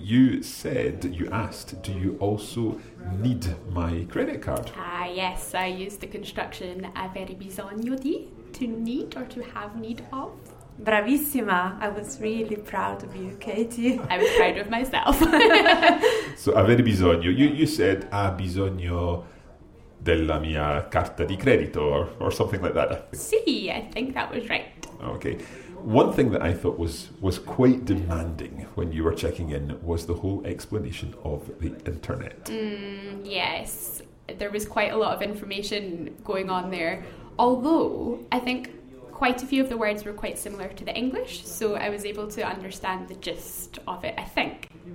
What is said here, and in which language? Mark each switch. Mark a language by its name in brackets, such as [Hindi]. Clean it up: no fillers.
[English] You said, you asked, do you also need my credit card? Ah, yes, I used the construction [Italian] avere bisogno di, [English] to need or to have need of. [Italian] Bravissima! [English] I was really proud of you, Katie. I was proud of myself. [Italian] So, avere bisogno. [English] You said, [Italian] ha bisogno della mia carta di credito, [English] or something like that. Sì, I think that was right. Okay. One thing that I thought was quite demanding when you were checking in was the whole explanation of the internet. Yes, there was quite a lot of information going on there. Although, I think quite a few of the words were quite similar to the English, so I was able to understand the gist of it, I think.